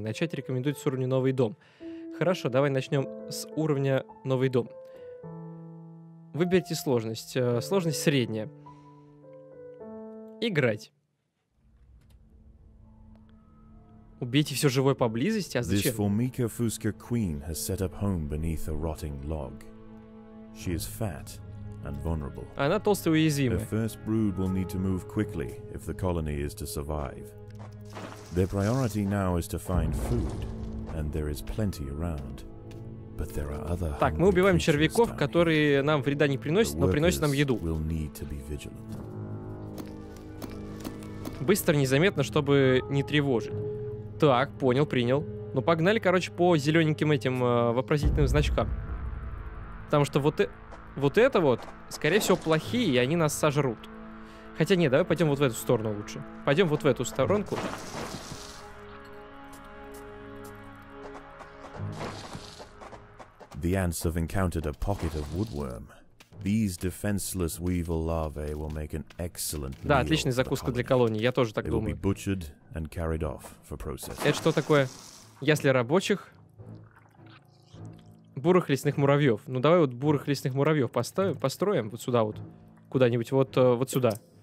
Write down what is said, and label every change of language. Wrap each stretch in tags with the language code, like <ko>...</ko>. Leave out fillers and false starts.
<ru>Начать рекомендуют с уровня «Новый дом». Хорошо, давай начнем с уровня «Новый дом». Выберите сложность. Сложность средняя. Играть. Убейте все живое поблизости, а зачем?</ru> <en>This Formica Fusca queen has set up home beneath a rotting log. She is fat and vulnerable.</en> <ru>Она толстая и уязвимая.</ru> <en>Her first brood will need to move quickly if the colony is to survive. Their priority now is to find food, and there is plenty around. But there are other.</en> <ru>Так, мы убиваем червяков, которые нам вреда не приносят, но приносят нам еду.</ru> <en>Will need to be vigilant.</en> <ru>Быстро, незаметно, чтобы не тревожить. Так, понял, принял. Ну, погнали, короче, по зелененьким этим вопросительным значкам. Потому что вот это вот, скорее всего, плохие, и они нас сожрут. Хотя нет, давай пойдем вот в эту сторону лучше. Пойдем вот в эту сторонку.</ru> <en>The ants have encountered a pocket of woodworm. These defenseless weevil larvae will make an excellent meal.</en> <ru>Да, отличная закуска для колонии. Я тоже так думаю.</ru> <en>They will be butchered and carried off for processing.</en> <ru>Это что такое? Если рабочих бурых лесных муравьев. Ну давай вот бурых лесных муравьев поставим, построим вот сюда вот куда-нибудь вот вот сюда.</ru>